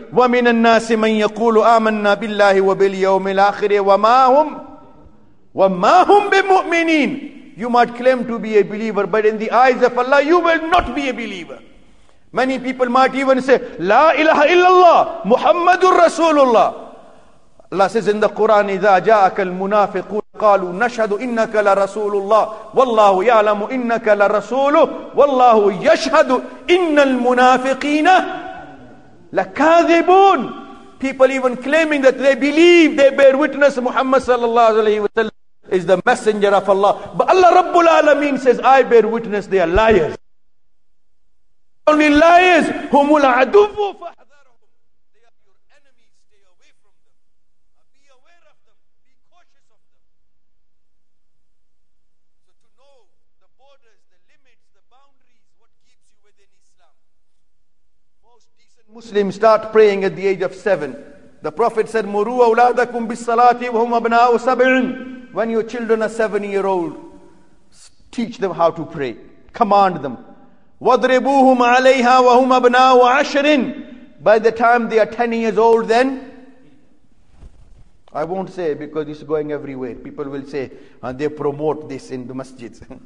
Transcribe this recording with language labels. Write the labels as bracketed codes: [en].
[ar] وَمِنَ النَّاسِ مَنْ يَقُولُ آمَنَّا بِاللَّهِ وَبِالْيَوْمِ الْآخِرِ وَمَا هُمْ بِمُؤْمِنِينَ. [en] You might claim to be a believer, but in the eyes of Allah, you will not be a believer. Many people might even say, [ar] La ilaha illallah, Muhammadur Rasulullah. [en] Allah says in the Quran, [ar] إِذَا جَاءَكَ الْمُنَافِقُونَ قالوا نشهد إنك لرسول الله والله يعلم إنك لرسوله والله يشهد إن المنافقين لكاذبون. [en] People even claiming that they believe, they bear witness Muhammad sallallahu alayhi wa sallam is the messenger of Allah. But Allah Rabbul Alameen says, I bear witness they are liars. Only liars, [ar] هم العدو فحذرهم. [en] They are your enemies, stay away from them. Be aware of them, be cautious of them. So to know the borders, the limits, the boundaries, what keeps you within Islam. Most decent Muslims start praying at the age of 7. The Prophet said, [ar] مروا أولادكم بالصلاة وهم أبناء سبع. [en] When your children are 7 years old, teach them how to pray. Command them. [ar] وَضْرِبُوهُمْ عَلَيْهَا وَهُمْ أَبْنَاءُ عَشْرٍ. [en] By the time they are 10 years old then, I won't say because it's going everywhere. People will say, and they promote this in the masjids.